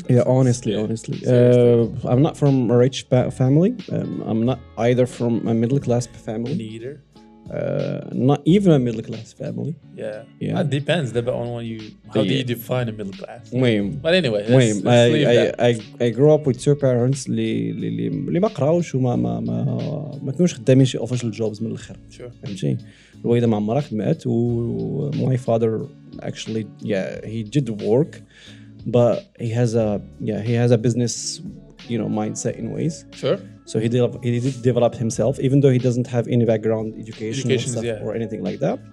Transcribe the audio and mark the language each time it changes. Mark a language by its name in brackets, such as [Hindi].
[English] Yeah, honestly. I'm not from a rich family. I'm not either from a middle class family. Neither. Not even a middle class family. Yeah. That depends. How do you define a middle class? [Arabic] مهم. [English] But anyway, let's leave that. I grew up with two parents [Arabic] اللي ما قراوش وما ما ما ما كانوش خدامين شي اوفيشال جوبز من الاخر. [English] Sure. [Arabic] فهمتي؟ الوالده ما عمرها خدمات و [English] my father actually he did work but he has a business you know mindset in ways. Sure. So he did develop himself, even though he doesn't have any background education stuff, or anything like that.